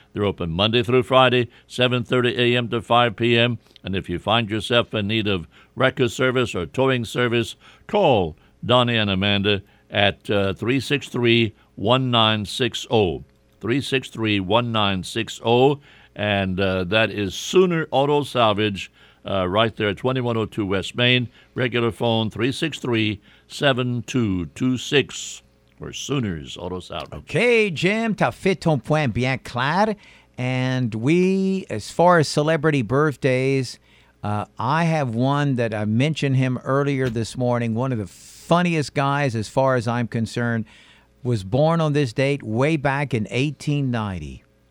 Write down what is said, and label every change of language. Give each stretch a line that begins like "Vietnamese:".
English: They're open Monday through Friday, 7:30 a.m. to 5 p.m., and if you find yourself in need of wrecker service or towing service, call Donnie and Amanda at 363-1960, 363-1960, and that is Sooner Auto Salvage, right there at 2102 West Main, regular phone 363-7226. Or Sooners Auto Salvage.
French: Okay, Jim, t'as fait ton point bien clair.
English: And we, as far as celebrity birthdays, I have one that I mentioned him earlier this morning. One of the funniest guys, as far as I'm concerned, was born on this date way back in 1890.